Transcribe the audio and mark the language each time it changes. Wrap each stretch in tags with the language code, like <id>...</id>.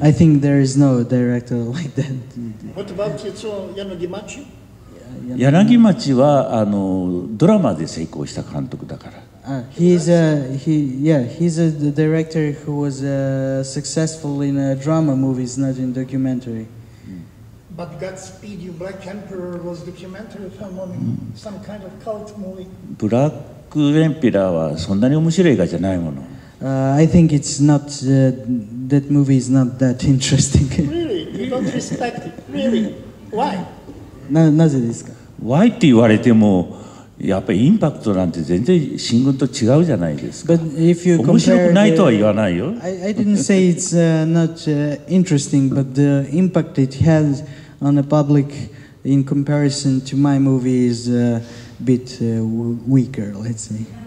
<en>I think there is no director like that. What about Yanagimachi?</en> <ja>柳町はドラマで成功した監督だから。</ja> <en>He's a director who was successful in a drama movies, not in documentary. But Godspeed You Black Emperor was documentary film, some kind of cult movie.</en> <ja>ブラックエンペラーはそんなに面白い映画じゃないもの。</ja> <en>I think it's not that movie is not that interesting. Really? You don't respect it? Really? Why?</en> <ja>なぜですか。 Why って言われてもやっぱりインパクトなんて全然新軍と違うじゃないですか。</ja> <en>But if you compare</en> <ja>面白くないとは言わないよ。</ja> <en>I didn't say it's not interesting, but the impact it has on the public in comparison to my movie is a bit weaker, let's say.</en>